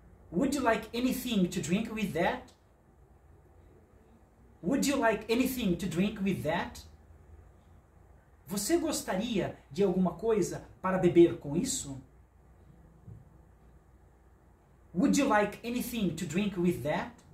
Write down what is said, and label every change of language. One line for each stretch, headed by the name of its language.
English: Would you like anything to drink with that? Would you like anything to drink with that?
Portuguese: Você gostaria de alguma coisa para beber com isso?
English: Would you like anything to drink with that?